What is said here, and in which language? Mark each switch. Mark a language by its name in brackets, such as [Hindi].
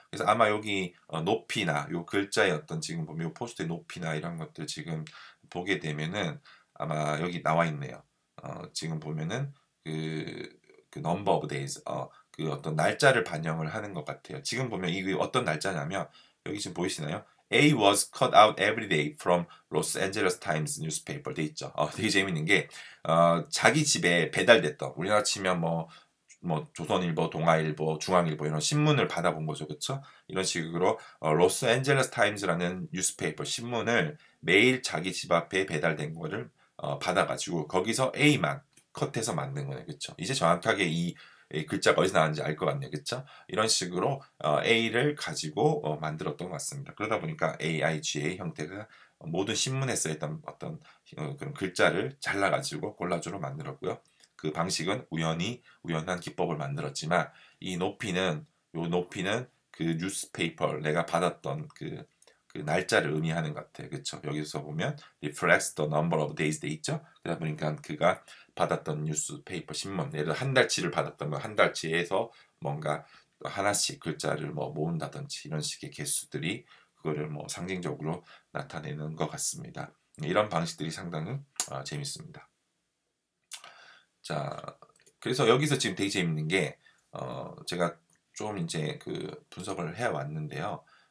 [Korean] 그래서 아마 여기 높이나 요 글자의 어떤 지금 보면 요 포스트의 높이나 이런 것들 지금 보게 되면은 아마 여기 나와 있네요. 지금 보면은 그 [English] number of days [Korean] 그 어떤 날짜를 반영을 하는 것 같아요. 지금 보면 이게 어떤 날짜냐면 여기 지금 보이시나요? [English] A was cut out every day from Los Angeles Times newspaper [Korean] 돼 있죠. 되게 재밌는 게 자기 집에 배달됐던 우리나라 치면 뭐 조선일보, 동아일보, 중앙일보 이런 신문을 받아본 거죠. 그렇죠? 이런 식으로 로스앤젤레스 타임즈라는 뉴스페이퍼 신문을 매일 자기 집 앞에 배달된 거를 받아가지고 거기서 A만 컷해서 만든 거네요. 그렇죠? 이제 정확하게 이 글자가 어디서 나왔는지 알 것 같네요. 그렇죠? 이런 식으로 A를 가지고 만들었던 것 같습니다. 그러다 보니까 AIGA 형태가 모든 신문에 쓰였던 어떤 그런 글자를 잘라가지고 콜라주로 만들었고요. 그 방식은 우연한 기법을 만들었지만 이 높이는 그 뉴스페이퍼 내가 받았던 그 날짜를 의미하는 것 같아요. 그렇죠? 여기서 보면 [English] reflects the number of days [Korean] 돼 있죠? 그러다 보니까 그가 받았던 뉴스페이퍼 신문 예를 들어 한 달치를 받았다면 한 달치에서 뭔가 하나씩 글자를 뭐 모은다든지 이런 식의 개수들이 그거를 뭐 상징적으로 나타내는 것 같습니다. 이런 방식들이 상당히 재밌습니다. 자, 그래서 여기서 지금 되게 재밌는 게, 제가 좀 이제 그 분석을 해 왔는데요.